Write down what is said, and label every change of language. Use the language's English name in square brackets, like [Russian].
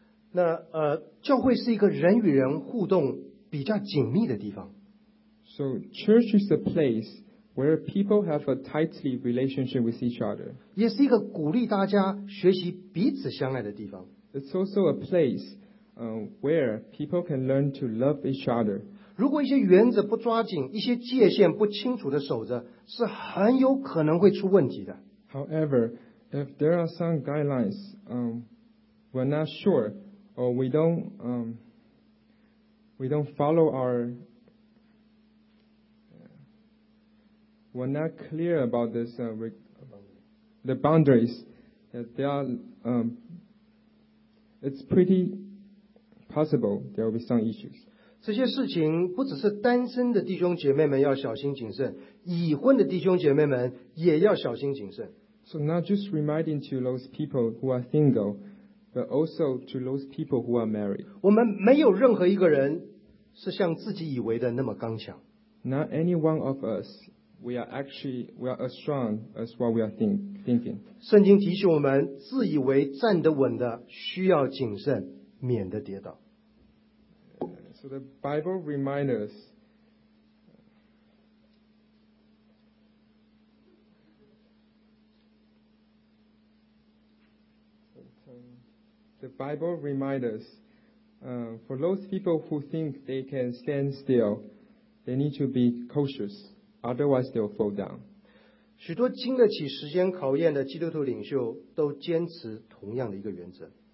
[Chinese] 那教会是一个人与人互动比较紧密的地方。 [English] So church is a place where people have a tightly relationship with each other. [Chinese] 也是一个鼓励大家学习彼此相爱的地方。 [English] It's also a place where people can learn to love each other. [Chinese] 如果一些原则不抓紧，一些界限不清楚的守着，是很有可能会出问题的。 [English] However, if there are some guidelines we're not sure, or we don't follow our we're not clear about this the boundaries, that there are it's pretty possible there will be some issues. [Chinese] 这些事情不只是单身的弟兄姐妹们要小心谨慎，已婚的弟兄姐妹们也要小心谨慎。 [English] So not just reminding to those people who are single, but also to those people who are married. [Chinese] 我们没有任何一个人是像自己以为的那么刚强。 [English] Not any one of us, we are as strong as what we are thinking. [Chinese] 圣经提醒我们，自以为站得稳的需要谨慎，免得跌倒。 [English] So the Bible reminds us. The Bible reminds us, for those people who think they can stand still, they need to be cautious, otherwise they'll fall down. [Chinese] 许多经得起时间考验的基督徒领袖都坚持同样的一个原则。